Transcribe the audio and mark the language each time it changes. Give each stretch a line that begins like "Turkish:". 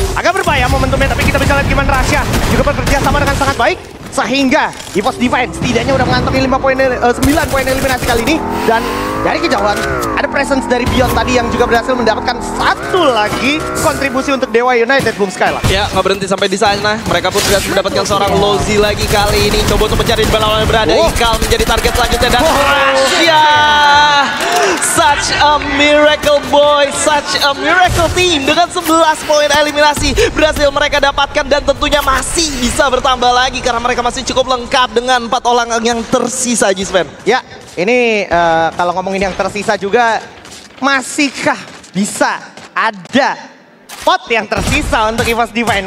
Indonesian: Agak berbahaya momentumnya, tapi kita bisa lihat gimana Rasha juga bekerja sama dengan sangat baik, sehingga EVOS Defense setidaknya udah mengantongi 9 poin eliminasi kali ini. Dan dari kejauhan ada presence dari Beyond tadi yang juga berhasil mendapatkan satu lagi kontribusi untuk Dewa United, Boom Skylar. Ya, nggak berhenti sampai di sana. Mereka pun sudah mendapatkan seorang Lozi lagi kali ini. Coba untuk mencari di lawan yang berada. Ikal menjadi target selanjutnya. Dan Rasha!
English: Such a miracle boy, such a miracle team.
Indonesian: Dengan 11 poin eliminasi berhasil mereka dapatkan. Dan tentunya masih bisa bertambah lagi karena mereka masih cukup lengkap dengan 4 orang yang tersisa, Jisman. Ya. Ini kalau ngomongin yang tersisa juga, masihkah bisa ada spot yang tersisa untuk EVOS Defense?